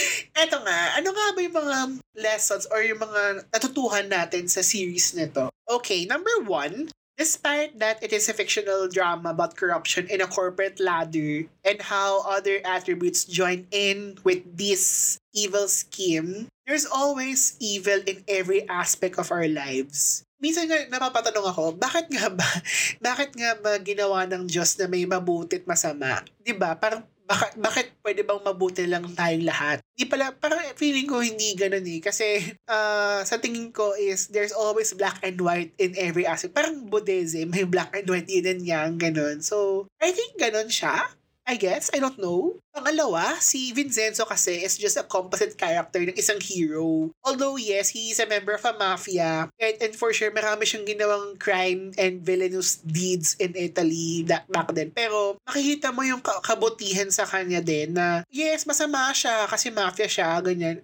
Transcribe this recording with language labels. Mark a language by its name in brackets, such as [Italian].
[Filipino] Eto nga, ano nga ba yung mga lessons or yung mga natutuhan natin sa series nito? [English] Okay, number one, despite that it is a fictional drama about corruption in a corporate ladder and how other attributes join in with this evil scheme, there's always evil in every aspect of our lives. [Filipino] Minsan nga, napapatanong ako, bakit nga ba ginawa ng Diyos na may mabuti at masama? Diba? Parang, bakit pwede bang mabuti lang tayong lahat? Hindi pala, parang feeling ko hindi ganun eh. Kasi sa tingin ko is, [English] there's always black and white in every aspect. Parang Buddhism, may black and white yun and yang, ganun. So, I think ganun siya, I guess. I don't know. [Filipino] Pangalawa, si Vincenzo kasi [English] is just a composite character [Filipino] ng isang hero. [English] Although yes, he is a member of a mafia. And for sure, [Filipino] marami siyang ginawang [English] crime and villainous deeds in Italy back then. [Filipino] Pero makikita mo yung kabutihan sa kanya din na yes, masama siya kasi mafia siya, ganyan.